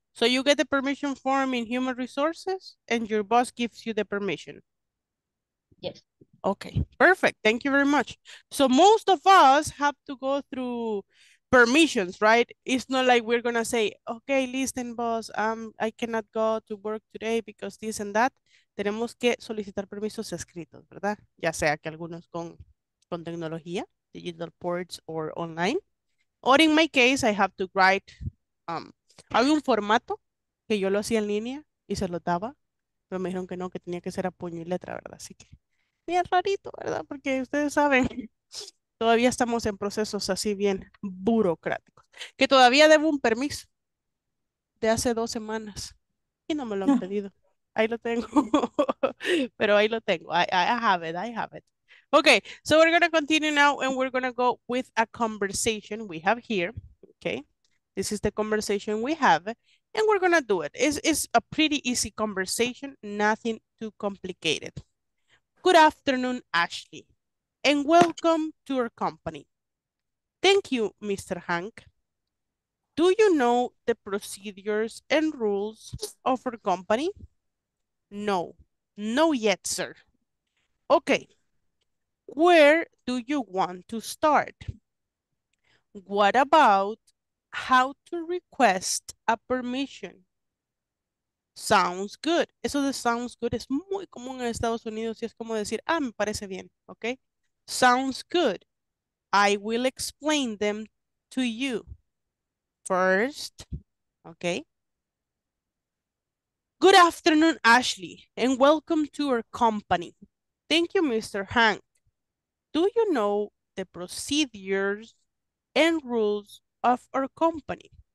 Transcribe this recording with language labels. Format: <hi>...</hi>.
<en>So you get the permission form in human resources and your boss gives you the permission. Yes. Okay, perfect. Thank you very much. So most of us have to go through permissions, right? It's not like we're going to say, okay, listen, boss, I cannot go to work today because this and that.</en> <es>Tenemos que solicitar permisos escritos, ¿verdad? Ya sea que algunos con tecnología,</es> <en>digital ports or online. Or in my case, I have to write,</en> <es>había un formato que yo lo hacía en línea y se lo daba, pero me dijeron que no, que tenía que ser a puño y letra, ¿verdad? Así que bien rarito, ¿verdad? Porque ustedes saben, todavía estamos en procesos así bien burocráticos. Que todavía debo un permiso de hace 2 semanas y no me lo han pedido. Ahí lo tengo. Pero ahí lo tengo.</es> <en>I have it. Okay, so we're going to continue now and we're going to go with a conversation we have here. Okay, this is the conversation we have and we're going to do it. It's a pretty easy conversation, nothing too complicated. Good afternoon, Ashley, and welcome to our company. Thank you, Mr. Hank. Do you know the procedures and rules of our company? No, no yet, sir. Okay, where do you want to start? What about how to request a permission? Sounds good.</en> <es>Eso de</es> <en>sounds good</en> <es>es muy común en Estados Unidos y es como decir, ah, me parece bien, okay?</es> <en>Sounds good. I will explain them to you first, okay? Good afternoon, Ashley, and welcome to our company. Thank you, Mr. Hank. Do you know the procedures and rules of our company?</en>